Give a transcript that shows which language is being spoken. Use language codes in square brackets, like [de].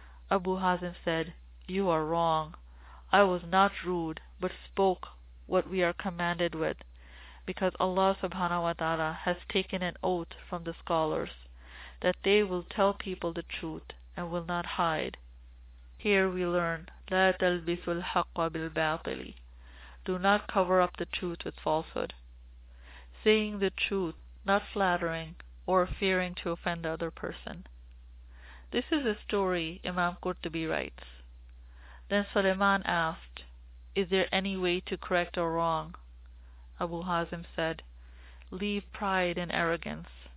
[en] Abu Hazim said, you are wrong. I was not rude, but spoke what we are commanded with, because Allah subhanahu wa ta'ala has taken an oath from the scholars that they will tell people the truth and will not hide. Here we learn, [ar] لا تلبسوا الحق بالباطل. [en] Do not cover up the truth with falsehood. Saying the truth, not flattering or fearing to offend the other person. This is a story Imam Qurtubi writes. Then Sulaiman asked, is there any way to correct our wrong? Abu Hazim said, leave pride and arrogance,